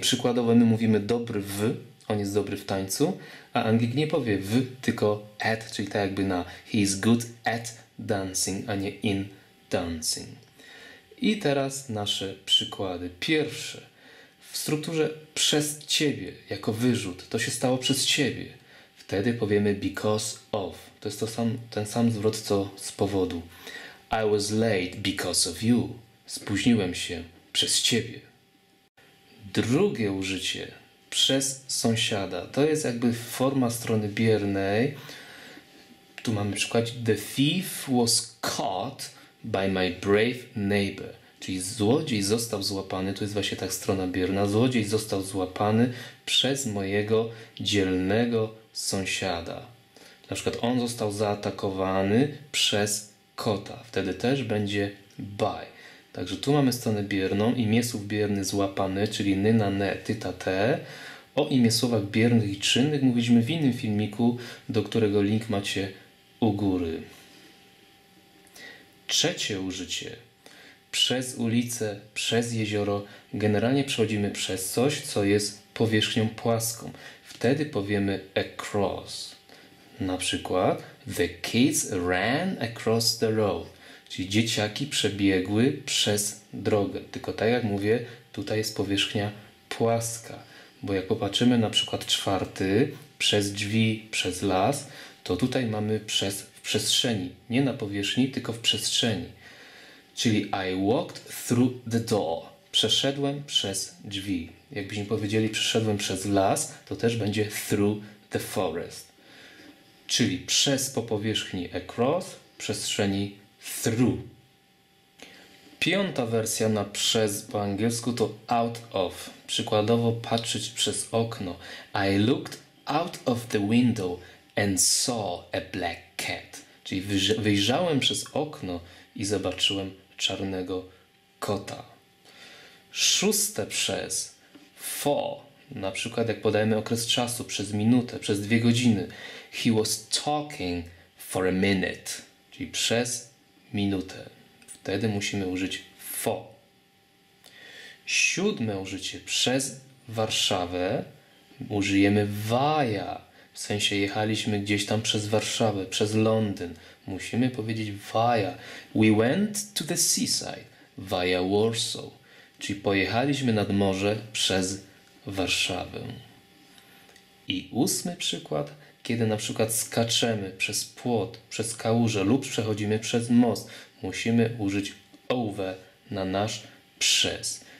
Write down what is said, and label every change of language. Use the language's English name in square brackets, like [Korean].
[Polish] Przykładowo my mówimy dobry w, on jest dobry w tańcu, a Anglik nie powie w, tylko at, czyli tak jakby na [English] he is good at dancing, [Polish] a nie in dancing. I teraz nasze przykłady. Pierwsze. W strukturze przez ciebie, jako wyrzut, to się stało przez ciebie. Wtedy powiemy because of. To jest ten sam zwrot, co z powodu. [English] I was late because of you. [Polish] Spóźniłem się przez ciebie. Drugie użycie. Przez sąsiada. To jest jakby forma strony biernej. Tu mamy przykład. [English] The thief was caught by my brave neighbor. [Polish] Czyli złodziej został złapany. Tu jest właśnie tak strona bierna. Złodziej został złapany przez mojego dzielnego sąsiada. Na przykład on został zaatakowany przez kota. Wtedy też będzie by. Także tu mamy stronę bierną. Imię słów bierny złapany, czyli nyna ne, ty ta te. O imię słowach biernych i czynnych mówiliśmy w innym filmiku, do którego link macie u góry. Trzecie użycie. Przez ulicę, przez jezioro. Generalnie przechodzimy przez coś, co jest powierzchnią płaską. Wtedy powiemy across. Na przykład [English] the kids ran across the road. [Polish] Czyli dzieciaki przebiegły przez drogę. Tylko tak jak mówię, tutaj jest powierzchnia płaska. Bo jak popatrzymy na przykład czwarty, przez drzwi, przez las, to tutaj mamy przez w przestrzeni. Nie na powierzchni, tylko w przestrzeni. [English] Czyli I walked through the door. [Polish] Przeszedłem przez drzwi. Jakbyśmy powiedzieli przeszedłem przez las, to też będzie [English] through the forest. [Polish] Czyli przez po powierzchni across, przestrzeni through. Piąta wersja na przez po angielsku to out of. Przykładowo patrzeć przez okno. [English] I looked out of the window and saw a black cat. [Polish] Czyli wyjrzałem przez okno i zobaczyłem czarnego kota. Szóste przez. For. Na przykład jak podajemy okres czasu, przez minutę, przez dwie godziny. [English] He was talking for a minute. [Polish] Czyli przez minutę. Wtedy musimy użyć for. Siódme użycie. Przez Warszawę użyjemy via. W sensie jechaliśmy gdzieś tam przez Warszawę, przez Londyn. Musimy powiedzieć via. [English] We went to the seaside via Warsaw. [Polish] Czyli pojechaliśmy nad morze przez Warszawę. I ósmy przykład, kiedy na przykład skaczemy przez płot, przez kałużę lub przechodzimy przez most, musimy użyć over na nasz przez.